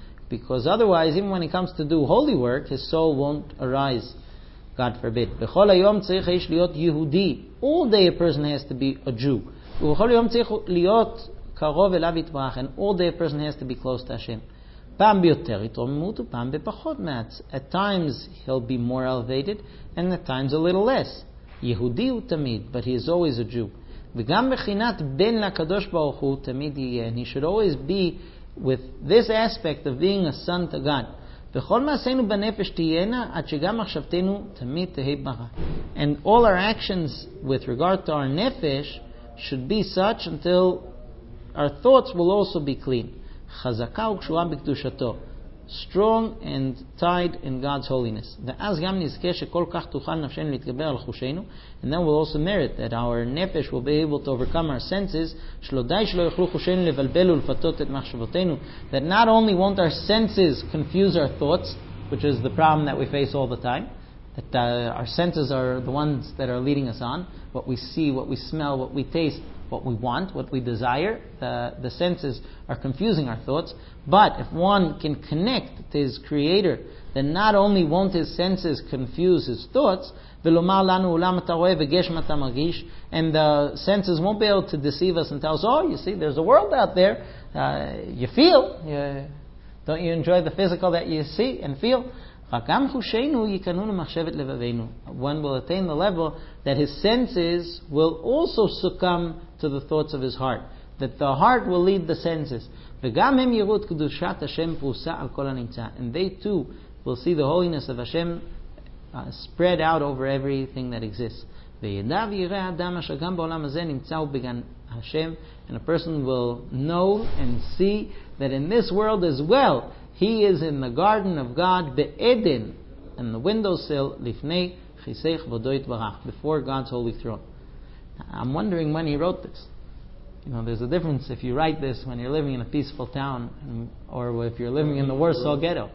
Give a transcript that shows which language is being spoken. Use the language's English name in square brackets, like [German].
[English] Because otherwise, even when he comes to do holy work, his soul won't arise. God forbid. [Hebrew] בכל היום צריך איש להיות יהודי. [English] All day a person has to be a Jew. [Hebrew] ובכל יום צריך להיות קרוב אליו יתברך. [English] And all day a person has to be close to Hashem. [Hebrew] פעם ביותר יתרוממות ופעם בפחות מעט. [English] At times he'll be more elevated and at times a little less. [Hebrew] יהודי הוא תמיד, [English] but he is always a Jew. [Hebrew] וגם בחינת בן לקדוש ברוך הוא תמיד יהיה. [English] And he should always be with this aspect of being a son to God. [Hebrew] וכל מעשינו בנפש תהיינה עד שגם מחשבתנו תמיד תהי ברא. [English] And all our actions with regard to our nefesh should be such until our thoughts will also be clean. [Hebrew] חזקה וקשורה בקדושתו. [English] Strong and tied in God's holiness. [Hebrew] ואז גם נזכה שכל כך תוכל נפשנו להתגבר על חושנו. [English] And then we'll also merit that our nefesh will be able to overcome our senses. [Hebrew] שלא די שלא יוכלו חושנו לבלבל ולפתות את מחשבותינו. [English] That not only won't our senses confuse our thoughts, which is the problem that we face all the time. That our senses are the ones that are leading us on. What we see, what we smell, what we taste, what we want, what we desire. The senses are confusing our thoughts. But if one can connect to his creator, then not only won't his senses confuse his thoughts, [Hebrew] ולומר לנו אולם אתה רואה וגשם אתה מרגיש, [English] and the senses won't be able to deceive us and tell us, oh, you see, there's a world out there. You feel. Don't you enjoy the physical that you see and feel? [Hebrew] גם חושינו יקנו למחשבת לבבינו. [English] One will attain the level that his senses will also succumb to the thoughts of his heart. That the heart will lead the senses. [Hebrew] וגם הם יראו את קדושת השם פרוסה על כל הנמצא. [English] And they too will see the holiness of Hashem spread out over everything that exists. [Hebrew] וידע ויראה אדם אשר גם בעולם הזה נמצא בגן השם. [English] And a person will know and see that in this world as well, he is in the garden of God, be'eden, in the windowsill, lifnei chisei chvodo yitbarach, before God's holy throne. I'm wondering when he wrote this. You know, there's a difference if you write this when you're living in a peaceful town, or if you're living in the Warsaw ghetto.